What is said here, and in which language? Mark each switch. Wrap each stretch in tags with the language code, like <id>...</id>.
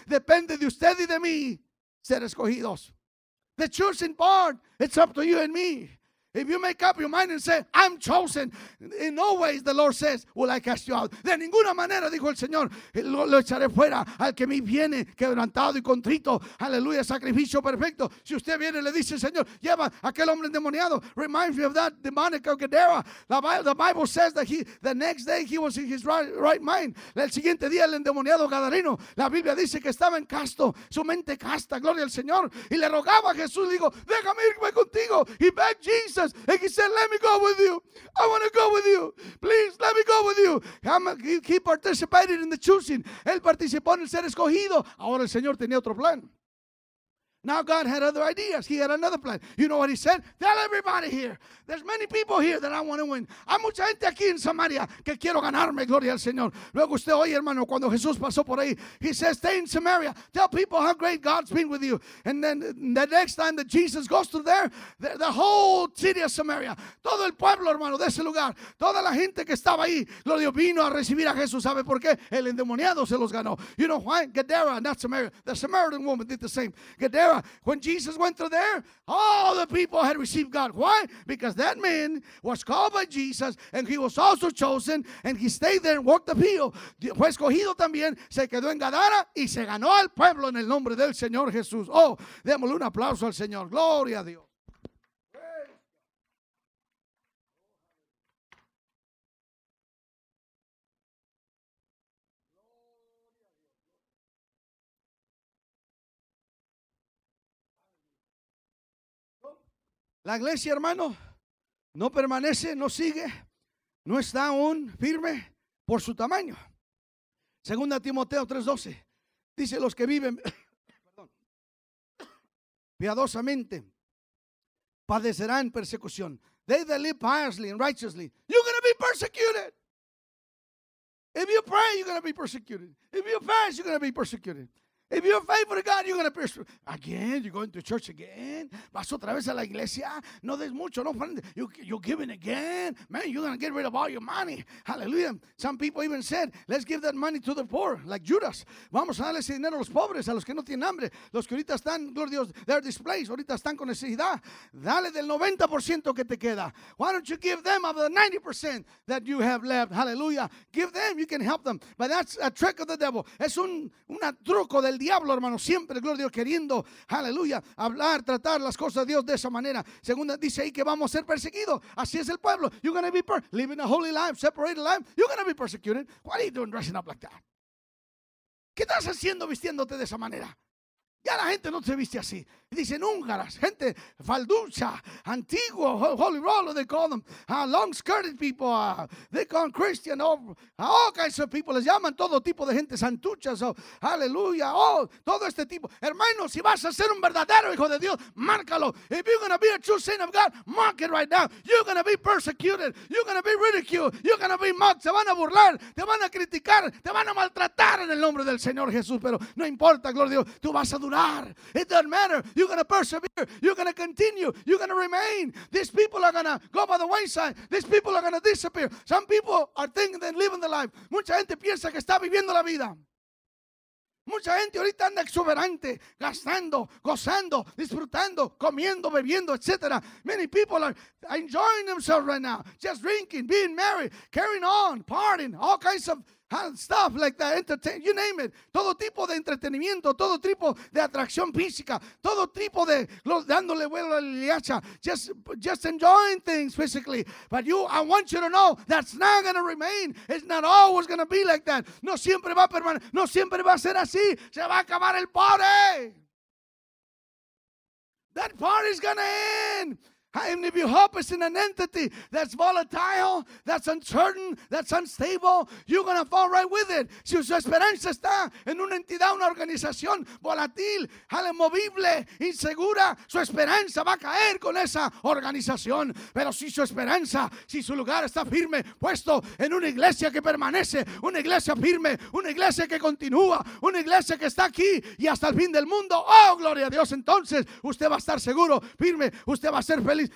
<es>Depende de usted y de mí ser escogidos.</es> <en>The choosing part, it's up to you and me. If you make up your mind and say, I'm chosen, in no ways, the Lord says, will I cast you out.</en> <es>De ninguna manera, dijo el Señor, lo echaré fuera al que me viene, quebrantado y contrito. Aleluya, sacrificio perfecto. Si usted viene, le dice, Señor, lleva aquel hombre endemoniado.</es> <en>Reminds me of that demonic of Gadara. The Bible says that the next day he was in his right mind.</en> <es>El siguiente día, el endemoniado gadareno. La Biblia dice que estaba en casto, su mente casta, gloria al Señor. Y le rogaba a Jesús, le dijo, déjame irme contigo.</es> <en>He begged Jesus. And he said, let me go with you. I want to go with you. Please, let me go with you. He participated in the choosing.</en> <es>Él participó en el ser escogido. Ahora el Señor tenía otro plan.</es> <en>Now God had other ideas. He had another plan. You know what he said? Tell everybody here. There's many people here that I want to win.</en> <es>Hay mucha gente aquí en Samaria que quiero ganarme, gloria al Señor. Luego usted oye, hermano, cuando Jesús pasó por ahí,</es> <en>he says, stay in Samaria. Tell people how great God's been with you. And then the next time that Jesus goes through there, the whole city of Samaria,</en> <es>todo el pueblo, hermano, de ese lugar, toda la gente que estaba ahí, gloria, Dios vino a recibir a Jesús. ¿Sabe por qué? El endemoniado se los ganó.</es> <en>You know why? Gadara, not Samaria. The Samaritan woman did the same. Gadara. When Jesus went through there, all the people had received God. Why? Because that man was called by Jesus and he was also chosen and he stayed there and walked the field.</en> <es>Fue escogido también, se quedó en Gadara y se ganó al pueblo en el nombre del Señor Jesús. Oh, démosle un aplauso al Señor. Gloria a Dios. La iglesia, hermano, no permanece, no sigue, no está aún firme por su tamaño. Segunda Timoteo 3:12 dice, los que viven piadosamente padecerán persecución.</es> <en>They that live piously and righteously, you're going to be persecuted. If you pray, you're going to be persecuted. If you fast, you're going to be persecuted. If you're faithful to God, you're going to persecute. Again, you're going to church again.</en> <es>Vas otra vez a la iglesia. No des mucho, no friend.</es> <en>You're giving again. Man, you're going to get rid of all your money. Hallelujah. Some people even said, let's give that money to the poor, like Judas.</en> <es>Vamos a darle ese dinero a los pobres, a los que no tienen hambre. Los que ahorita están, gloria a Dios,</es> <en>they're displaced.</en> <es>Ahorita están con necesidad. Dale del 90% que te queda.</es> <en>Why don't you give them of the 90% that you have left? Hallelujah. Give them, you can help them. But that's a trick of the devil.</en> <es>Es un truco de el diablo, hermano, siempre, gloria a Dios, queriendo, aleluya, hablar, tratar las cosas de Dios de esa manera. Segunda, dice ahí que vamos a ser perseguidos. Así es el pueblo.</es> <en>You're going to be living a holy life, separated life. You're going to be persecuted. What are you doing dressing up like that?</en> <es>¿Qué estás haciendo vistiéndote de esa manera? Ya la gente no se viste así. Dicen húngaras, gente falducha, antiguo,</es> <en>holy roller, they call them. Long skirted people, they call them Christian. All kinds of people,</en> <es>les llaman todo tipo de gente, santuchas, aleluya, todo este tipo. Hermano, si vas a ser un verdadero hijo de Dios, márcalo.</es> <en>If you're going to be a true saint of God, mark it right now. You're going to be persecuted, you're going to be ridiculed, you're going to be mocked.</en> <es>Se van a burlar, te van a criticar, te van a maltratar en el nombre del Señor Jesús. Pero no importa, gloria a Dios, tú vas a durar.</es> <en>It doesn't matter. You're going to persevere. You're going to continue. You're going to remain. These people are going to go by the wayside. These people are going to disappear. Some people are thinking they're living the life.</en> <es>Mucha gente piensa que está viviendo la vida. Mucha gente ahorita anda exuberante, gastando, gozando, disfrutando, comiendo, bebiendo, etc.</es> <en>Many people are enjoying themselves right now. Just drinking, being merry, carrying on, partying, all kinds of and stuff like that, entertain, you name it.</en> <es>Todo tipo de entretenimiento, todo tipo de atracción física, todo tipo de dándole vuelo a la liacha,</es> <en>just enjoying things physically. But you, I want you to know, that's not going to remain. It's not always going to be like that.</en> <es>No siempre va a permanecer, no siempre va a ser así. Se va a acabar el party.</es> <en>That party's going to end. And if your hope is in an entity that's volatile, that's uncertain, that's unstable, you're going to fall right with it.</en> <es>Si su esperanza está en una entidad, una organización volátil, inmovible, insegura, su esperanza va a caer con esa organización. Pero si su esperanza, si su lugar está firme, puesto en una iglesia que permanece, una iglesia firme, una iglesia que continúa, una iglesia que está aquí y hasta el fin del mundo, oh, gloria a Dios, entonces usted va a estar seguro, firme, usted va a ser feliz.</es>